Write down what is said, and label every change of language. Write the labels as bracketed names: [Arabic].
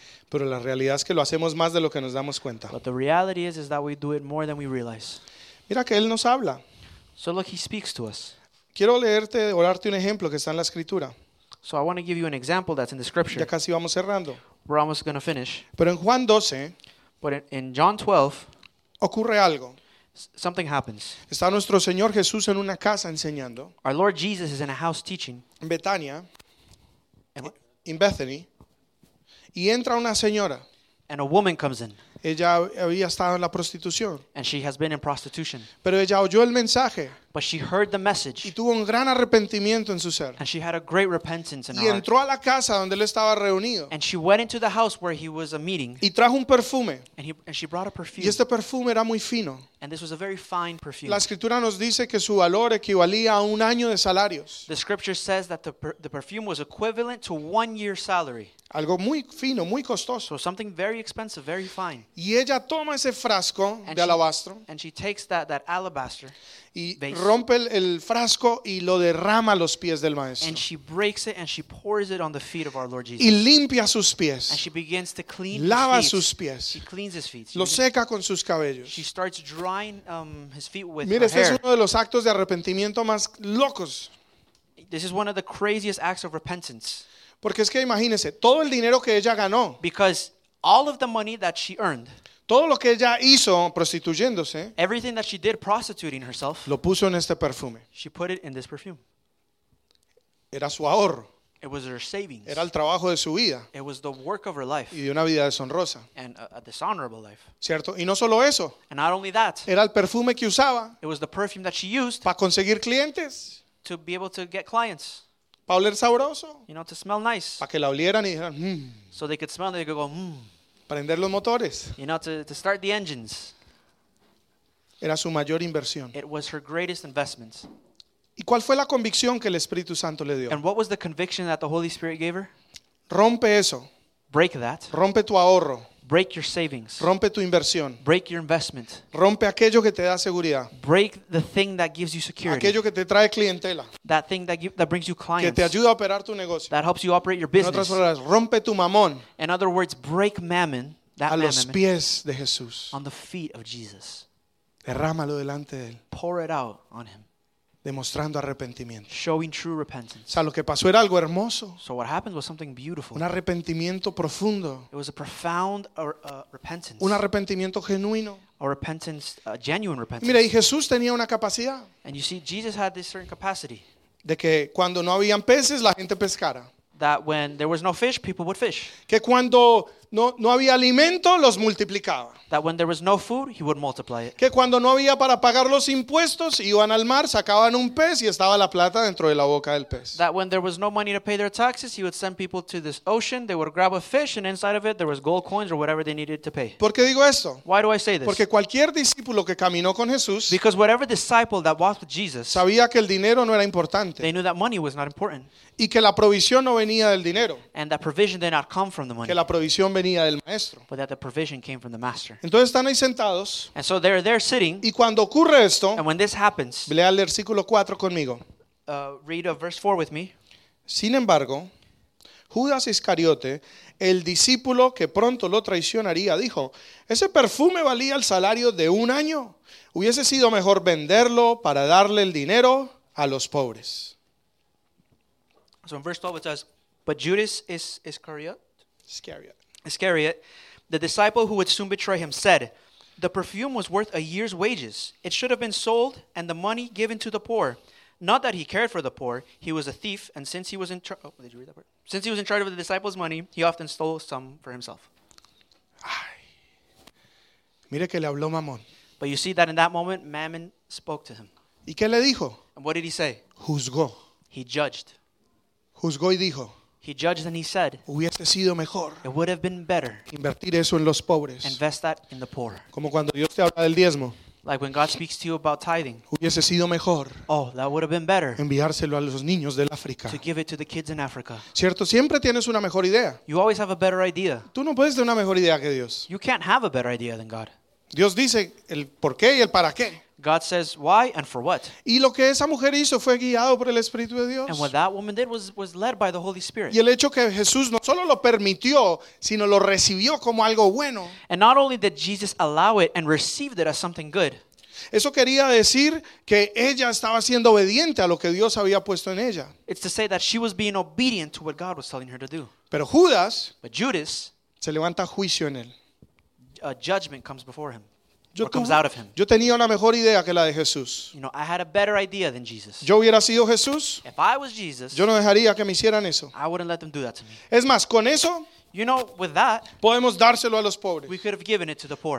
[Spanish] Pero la realidad es que lo hacemos más de lo que nos damos cuenta. [English] But the reality is that we do it more than we realize. [Spanish] Mira que él nos habla. [English] So look, he speaks to us. [Spanish] Quiero leerte, orarte un ejemplo que está en la escritura. [English] So I want to give you an example that's in the scripture. [Spanish] Ya casi vamos cerrando. [English] We're almost going to finish. [Spanish] Pero en Juan 12, [English] but in John 12, [Spanish] ocurre algo. [English] Something happens. [Spanish] Está nuestro Señor Jesús en una casa enseñando. [English] Our Lord Jesus is in a house teaching. [Spanish] En Betania. [English] In Bethany. [Spanish] Y entra una señora. [English] And a woman comes in. [Spanish] Ella había estado en la prostitución. [English] And she has been in prostitution. [Spanish] Pero ella oyó el mensaje. [English] But she heard the message. [Spanish] Y tuvo un gran arrepentimiento en su ser. [English] And she had a great repentance in y her heart. [Spanish] Y entró a la casa donde él estaba reunido. [English] And she went into the house where he was a meeting. [Spanish] Y trajo un perfume. [English] And she brought a perfume. [Spanish] Y este perfume era muy fino. [English] And this was a very fine perfume. [Spanish] La escritura nos dice que su valor equivalía a un año de salarios. [English] The scripture says that the perfume was equivalent to 1 year's salary. [Spanish] Algo muy fino, muy costoso. [English] So something very expensive, very fine. [Spanish] Y ella toma ese frasco de alabastro. [English] And she takes that alabaster. [Spanish] Y rompe el frasco y lo derrama a los pies del maestro. [English] And she breaks it and she pours it on the feet of our Lord Jesus. [Spanish] Y limpia sus pies. [English] And she begins to clean his feet. [Spanish] Lava sus pies. [English] She cleans his feet. [Spanish] Lo seca con sus cabellos. [English] She starts drying his feet with her hair. Mira, [Spanish] este es uno de los actos de arrepentimiento más locos. [English] This is one of the craziest acts of repentance. [Spanish] Porque es que imagínese, todo el dinero que ella ganó. [English] Because all of the money that she earned. [Spanish] Todo lo que ella hizo prostituyéndose. [English] Everything that she did prostituting herself. [Spanish] Lo puso en este perfume. [English] She put it in this perfume. [Spanish] Era su ahorro. [English] It was her savings. [Spanish] Era el trabajo de su vida. [English] It was the work of her life. [Spanish] Y de una vida deshonrosa. [English] And a dishonorable life. [Spanish] ¿Cierto? Y no solo eso. [English] And not only that. [Spanish] Era el perfume que usaba. [English] It was the perfume that she used. [Spanish] Para conseguir clientes. [English] To be able to get clients. [Spanish] Para oler sabroso. [English] You know, to smell nice. [Spanish] Para que la olieran y dijeran, [English] So they could smell and they could go, [Spanish] Prender los motores. [English] You know, to start the engines. [Spanish] Era su mayor inversión. [English] It was her greatest investment. [Spanish] ¿Y cuál fue la convicción que el Espíritu Santo le dio? [English] And what was the conviction that the Holy Spirit gave her? [Spanish] Rompe eso. [English] Break that. [Spanish] Rompe tu ahorro. [English] Break your savings. [Spanish] Rompe tu inversión. [English] Break your investment. [Spanish] Rompe aquello que te da seguridad. [English] Break the thing that gives you security. [Spanish] Aquello que te trae clientela. [English] That thing that brings you clients. [Spanish] Que te ayuda a operar tu negocio. [English] That helps you operate your business. [Spanish] En otras palabras, rompe tu mamón. [English] In other words, break mammon. That [Spanish] a los pies de Jesús. [English] On the feet of Jesus. [Spanish] Derrámalo delante de él. [English] Pour it out on him. [Spanish] Demostrando arrepentimiento. [English] Showing true repentance. [Spanish] O sea, lo que pasó era algo hermoso. [English] So what happened was something beautiful. [Spanish] Un arrepentimiento profundo. [English] It was a profound repentance. [Spanish] Un arrepentimiento genuino. [English] A repentance, a genuine repentance. [Spanish] Mira, y Jesús tenía una capacidad. [English] And you see, Jesus had this certain capacity. [Spanish] De que cuando no habían peces, la gente pescara. [English] That when there was no fish, people would fish. [Spanish] Que cuando no había alimento, los multiplicaba. [English] That when there was no food, he would multiply it. [Spanish] Que cuando no había para pagar los impuestos, iban al mar, sacaban un pez y estaba la plata dentro de la boca del pez. [English] That when there was no money to pay their taxes, he would send people to this ocean, they would grab a fish, and inside of it there was gold coins or whatever they needed to pay. [Spanish] ¿Por qué digo esto? [English] Why do I say this? [Spanish] Porque cualquier discípulo que caminó con Jesús, [English] because whatever disciple that walked with Jesus, [Spanish] sabía que el dinero no era importante. [English] They knew that money was not important. [Spanish] Y que la provisión no venía del dinero. [English] And that provision did not come from the money. [Spanish] Que la provisión venía del maestro. [English] But that the provision came from the master. [Spanish] Entonces están ahí sentados. [English] And so they're there sitting. [Spanish] Y cuando ocurre esto. [English] And when this happens. [Spanish] Lea el versículo 4 conmigo. [English] Read a verse 4 with me. [Spanish] Sin embargo, Judas Iscariote, el discípulo que pronto lo traicionaría, dijo, ese perfume valía el salario de un año. Hubiese sido mejor venderlo para darle el dinero a los pobres. [English] So in verse 12 it says, but Judas is Iscariot. The disciple who would soon betray him said, the perfume was worth a year's wages. It should have been sold and the money given to the poor. Not that he cared for the poor. He was a thief, and since he was in charge of the disciples' money, he often stole some for himself. [Spanish] Ay. Mire que le habló Mamón. [English] But you see that in that moment, Mammon spoke to him. [Spanish] ¿Y qué le dijo? [English] And what did he say? [Spanish] Juzgó. [English] He judged. [Spanish] Juzgó y dijo. [English] He judged and he said, [Spanish] hubiese sido mejor [English] it would have been better [Spanish] invertir eso en los pobres. [English] Invest that in the poor. [Spanish] Como cuando Dios te habla del diezmo. [English] Like when God speaks to you about tithing. [Spanish] Hubiese sido mejor. [English] Oh, that would have been better. [Spanish] Enviárselo a los niños del África. [English] To give it to the kids in Africa. [Spanish] Cierto, siempre tienes una mejor idea. [English] You always have a better idea. [Spanish] Tú no puedes tener una mejor idea que Dios. [English] You can't have a better idea than God. [Spanish] Dios dice el por qué y el para qué. [English] God says why and for what. [Spanish] Y lo que esa mujer hizo fue guiado por el Espíritu de Dios. [English] And what that woman did was led by the Holy Spirit. [Spanish] Y el hecho que Jesús no solo lo permitió, sino lo recibió como algo bueno. [English] And not only did Jesus allow it and received it as something good. [Spanish] Eso quería decir que ella estaba siendo obediente a lo que Dios había puesto en ella. [English] It's to say that she was being obedient to what God was telling her to do. [Spanish] Pero Judas, [English] but Judas, [Spanish] se levanta juicio en él. [English] A judgment comes before him. [Spanish] Yo [English] comes out of him. [Spanish] Yo tenía una mejor idea que la de Jesús. [English] You know, I had a better idea than Jesus. [Spanish] Yo hubiera sido Jesús. [English] If I was Jesus, [Spanish] yo no dejaría que me hicieran eso. [English] I wouldn't let them do that to me. [Spanish] Es más, con eso, [English] you know, with that, [Spanish] podemos dárselo a los pobres. [English] We could have given it to the poor.